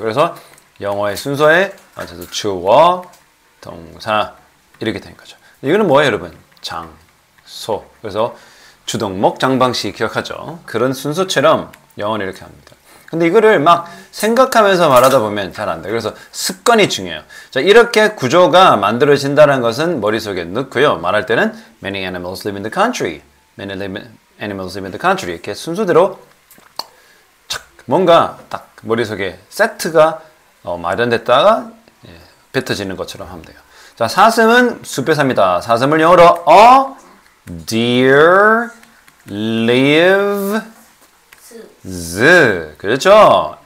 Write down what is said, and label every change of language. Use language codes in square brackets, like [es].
[ko] 그래서 영어의 순서에 맞춰서 주어, 동사 이렇게 되는 거죠. 이거는 뭐예요 여러분? 장소. 그래서 주동목 장방식 기억하죠? 그런 순서처럼 영어는 이렇게 합니다. 근데 이거를 막 생각하면서 말하다 보면 잘 안 돼요. 그래서 습관이 중요해요. 자, 이렇게 구조가 만들어진다는 것은 머릿속에 넣고요. 말할 때는 [en] many animals live in the country. many animals live in the country. [ko] 이렇게 순서대로 착 뭔가 딱 머릿속에 세트가 마련됐다가 예, 뱉어지는 것처럼 하면 돼요. 자, 사슴은 숲에 삽니다. 사슴을 영어로 어? [en] Deer lives [ko] 그렇죠?